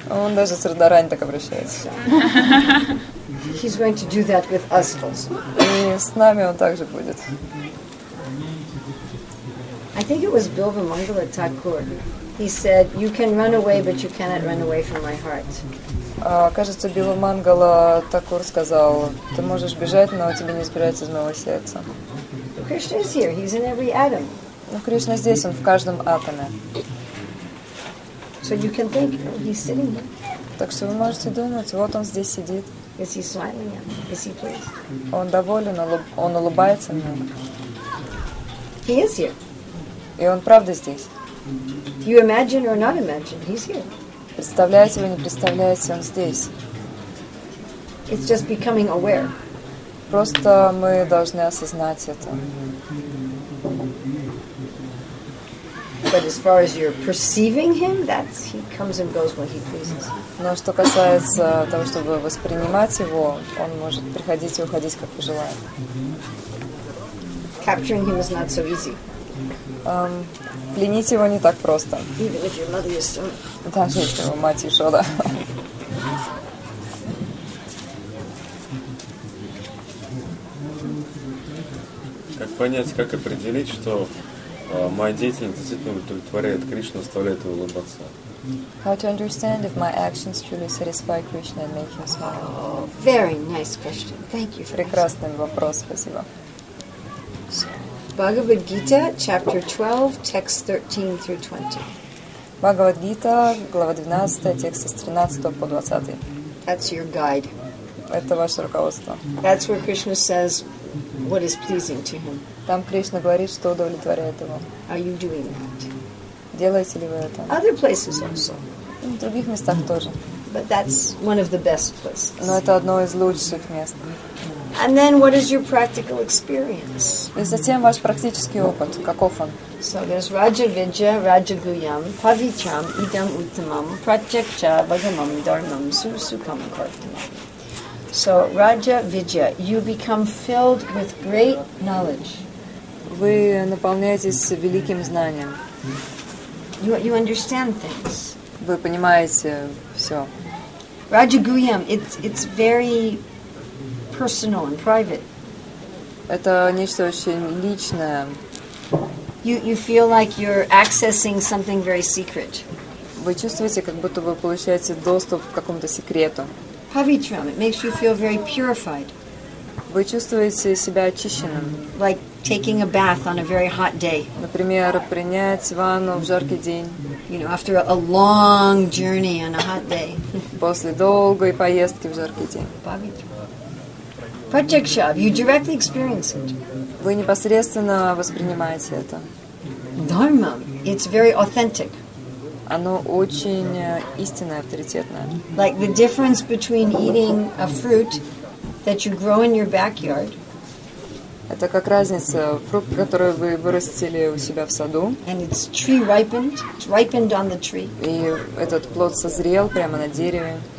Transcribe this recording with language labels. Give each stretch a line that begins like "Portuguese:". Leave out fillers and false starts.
Russian: Он даже с Радарани так обращается.
English: He's going to do that with us also.
Russian: И с нами он также будет.
English: I think it was Bilva Mangala Thakur. He said, "You can run away, but you cannot run away from my heart."
Russian: Кажется, Билла Мангала Такур сказал, ты можешь бежать, но тебе не избежать из моего сердца.
English: Krishna is here. He's in every atom.
Russian: Ну, Кришна здесь, он в каждом атоме.
English: So you can think, he's sitting here.
Russian: Так что вы можете думать, вот он здесь сидит.
English: Is he smiling? Is he pleased?
Russian: Он доволен, он улыбается мне.
English: He is here.
Russian: И он правда здесь.
English: You imagine or not imagine, he's here.
Russian: Представляете вы, не представляете, он здесь.
English: It's just becoming aware.
Russian: Просто мы должны осознать это.
English: But as far as you're perceiving him, that's he comes and goes when he pleases.
Russian: Но что касается того, чтобы воспринимать его, он может приходить и уходить, как пожелает.
English: Capturing him is not so easy.
Russian: Пленить его не так просто.
English: Even if your mother is so...
Russian: Даже если его мать еще, да. Как понять, как определить, что моя деятельность действительно удовлетворяет Кришну, оставляет его улыбаться?
English: How to understand if my actions truly satisfy Krishna and make him smile? Oh, very nice question. Thank you for
Russian: прекрасный asking. Вопрос, спасибо.
English: Bhagavad Gita, chapter 12, text 13 through 20.
Russian: Bhagavad Gita, глава 12, текст с 13 по 20.
English: That's your guide.
Russian: Это ваше руководство.
English: That's where Krishna says what is pleasing to him.
Russian: Там Кришна говорит, что удовлетворяет его.
English: Are you doing that?
Russian: Делаете ли вы это?
English: Other places also.
Russian: В других местах тоже.
English: But that's one of the best places.
Russian: Но это одно из лучших мест.
English: And then what is your practical experience?
Russian: И затем ваш практический опыт. Каков он?
English: So there's Raja Vidya, Raja Guyam, Pavitram, Idam Uttamam, Pratyaksha, Bhagamam, Dharmam, Susukam, Kartamam. So Raja Vidya, you become filled with great knowledge.
Russian: Вы наполняетесь великим знанием.
English: You understand things.
Russian: Вы понимаете все.
English: Raja Guyam, it's very... personal and private.
Russian: Это нечто очень личное.
English: You feel like you're accessing something very secret.
Russian: Вы чувствуете, как будто вы получаете доступ к какому-то секрету.
English: Pavitram, it makes you feel very purified.
Russian: Вы чувствуете себя очищенным.
English: Like taking a bath on a very hot day.
Russian: Например, принять ванну в жаркий день.
English: You know, after a long journey on a hot day.
Russian: После долгой поездки в жаркий день.
English: Pavitram. Pratyaksha, you directly experience it.
Russian: Вы непосредственно воспринимаете это.
English: Dharma, it's very authentic.
Russian: Оно очень истинное, авторитетное.
English: Like the difference between eating a fruit that you grow in your backyard.
Russian: Это как разница фрукт, который вы вырастили у себя в саду.
English: And it's tree ripened, it's ripened on the tree.
Russian: И этот плод созрел прямо на дереве.